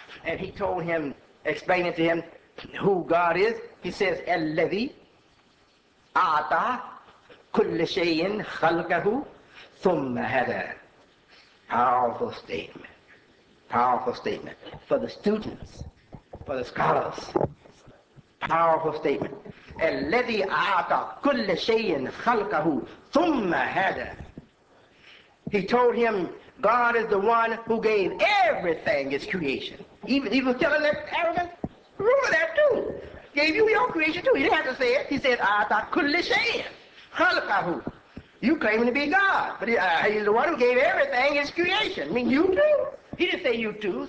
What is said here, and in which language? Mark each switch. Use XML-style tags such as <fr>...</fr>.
<en>And he told him, explaining to him who God is, he says,</en> <ar>"Alladhi ata كل شيء خلقه ثم هدى.</ar> <en>Powerful statement. Powerful statement. For the students, for the scholars. Powerful statement.</en> <ar>الذي أعطى كل شيء خلقه ثم هدى.</ar> <en>He told him, God is the one who gave everything his creation. Even telling that arrogant ruler that too. Gave you your creation too. He didn't have to say it. He said,</en> <ar>أعطى كل شيء خلقه.</ar> <en>You claiming to be God, but he's the one who gave everything his creation. I mean, you too. He didn't say you too.</en>